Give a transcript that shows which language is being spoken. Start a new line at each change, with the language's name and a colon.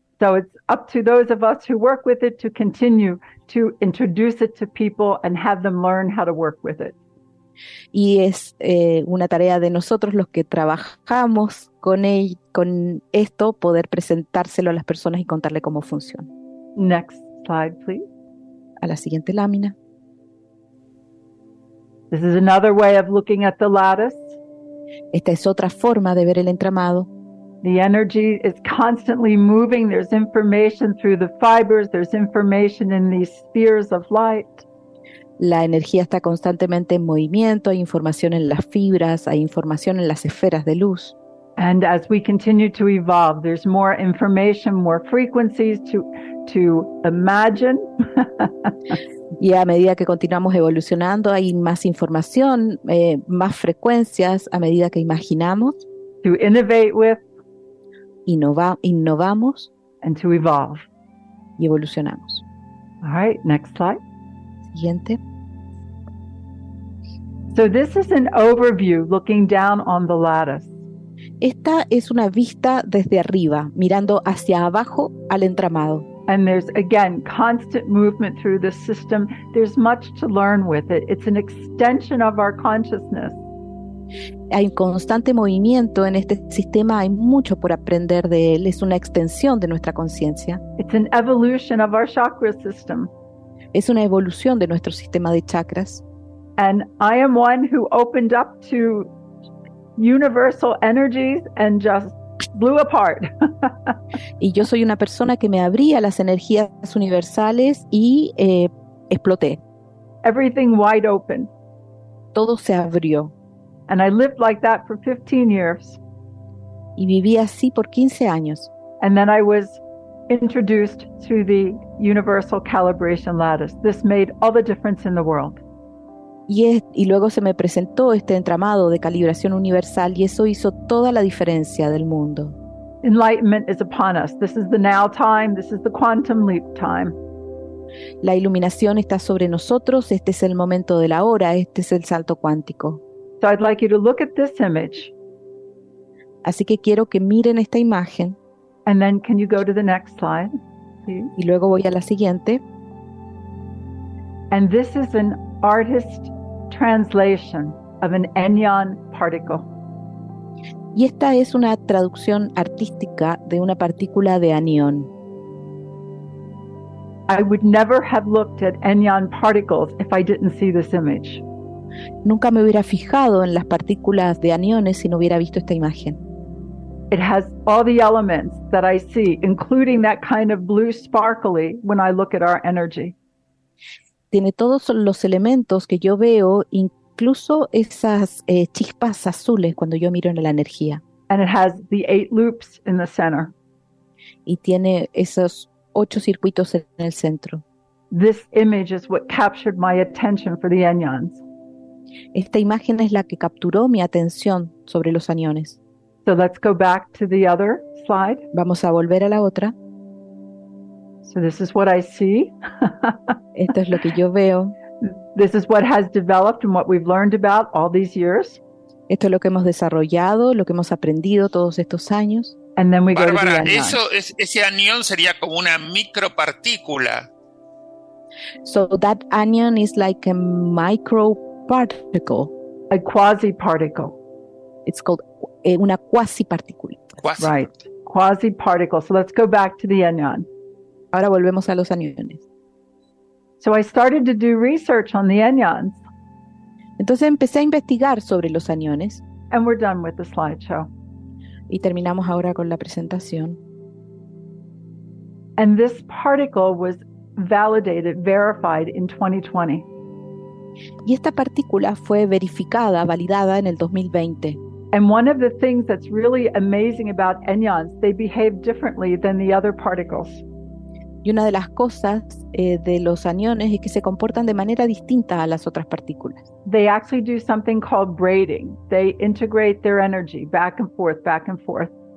English: So it's up to those of us who work with it to continue to introduce it to people and have them learn how to work with it.
Spanish: Y es una tarea de nosotros los que trabajamos con esto poder presentárselo a las personas y contarle cómo funciona.
English: Next slide, please.
Spanish: A la siguiente lámina.
English: This is another way of looking at the lattice.
Spanish: Esta es otra forma de ver el entramado.
English: The energy is constantly moving. There's information through the fibers. There's information in these spheres of light.
Spanish: La energía está constantemente en movimiento. Hay información en las fibras. Hay información en las esferas de luz.
English: And as we continue to evolve, there's more information, more frequencies to imagine.
Spanish: Y a medida que continuamos evolucionando, hay más información, más frecuencias a medida que imaginamos.
English: To innovate with.
Spanish: Innovamos
English: and to evolve.
Spanish: Y evolucionamos.
English: All right, next slide.
Spanish: Siguiente.
English: So this is an overview looking down on the lattice.
Spanish: Esta es una vista desde arriba, mirando hacia abajo al entramado.
English: And there's again constant movement through the system. There's much to learn with it. It's an extension of our consciousness.
Spanish: Hay constante movimiento en este sistema, hay mucho por aprender de él, es una extensión de nuestra conciencia.
English: It's an evolution of our chakra system.
Spanish: Es una evolución de nuestro sistema de chakras.
English: And I am one who opened up to universal energies and just blew apart.
Spanish: Y yo soy una persona que me abría las energías universales y exploté.
English: Everything wide open.
Spanish: Todo se abrió.
English: And I lived like that for 15 years.
Spanish: Y viví así por 15 años.
English: And then I was introduced to the universal calibration lattice. This made all the difference in the world.
Spanish: Y luego se me presentó este entramado de calibración universal y eso hizo toda la diferencia del mundo.
English: Enlightenment is upon us. This is the now time. This is the quantum leap time.
Spanish: La iluminación está sobre nosotros. Este es el momento de la hora. Este es el salto cuántico.
English: So I'd like you to look at this image.
Spanish: Así que quiero que miren esta imagen.
English: And then can you go to the next slide, please?
Spanish: Y luego voy a la siguiente.
English: And this is an artist translation of an Enyan particle.
Spanish: Y esta es una traducción artística de una partícula de anión.
English: I would never have looked at Enyan particles if I didn't see this image.
Spanish: Nunca me hubiera fijado en las partículas de aniones si no hubiera visto esta imagen.
English: It has all the elements that I see, including that kind of blue sparkly when I look at our energy.
Spanish: Tiene todos los elementos que yo veo, incluso esas chispas azules cuando yo miro en la energía.
English: And it has the eight loops in the center.
Spanish: Y tiene esos ocho circuitos en el centro.
English: This image is what captured my attention for the anions.
Spanish: Esta imagen es la que capturó mi atención sobre los aniones.
English: So let's go back to the other slide.
Spanish: Vamos a volver a la otra.
English: So this is what I see.
Spanish: Esto es lo que yo veo.
English: This is what has developed and what we've learned about all these years.
Spanish: Esto es lo que hemos desarrollado, lo que hemos aprendido todos estos años.
English: And then we Bárbara, go to the anion.
Spanish: Eso es, ese anión sería como una micropartícula.
English: So that anion is like a microparticle. A quasi-particle. It's called una quasi-particle. Quasi. Right. Quasi-particle. So let's go back to the anion.
Spanish: Ahora volvemos a los aniones.
English: So I started to do research on the anions.
Spanish: Entonces empecé a investigar sobre los aniones.
English: And we're done with the slideshow.
Spanish: Y terminamos ahora con la presentación.
English: And this particle was validated, verified in 2020.
Spanish: Y esta partícula fue verificada, validada en el 2020.
English: And one of the things that's really amazing about anions, they behave differently than the other particles.
Spanish: Y una de las cosas de los aniones es que se comportan de manera distinta a las otras partículas.
English: They actually do something called braiding. They integrate their energy back and forth, back and forth.